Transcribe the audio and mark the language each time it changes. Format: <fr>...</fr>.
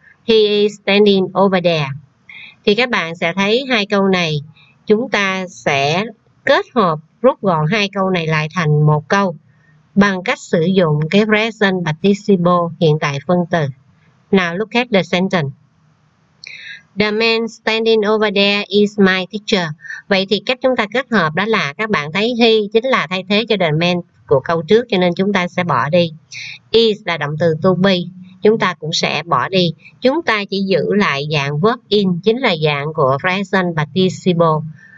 <en>He is standing over there.</en> <vi>Thì các bạn sẽ thấy hai câu này, chúng ta sẽ kết hợp rút gọn hai câu này lại thành một câu bằng cách sử dụng cái present participle hiện tại phân từ.</vi> <en>Now look at the sentence. The man standing over there is my teacher.</en> <vi>Vậy thì cách chúng ta kết hợp đó là các bạn thấy he chính là thay thế cho the man của câu trước, cho nên chúng ta sẽ bỏ đi. Is là động từ to be, chúng ta cũng sẽ bỏ đi. Chúng ta chỉ giữ lại dạng verb in, chính là dạng của present participle.</vi>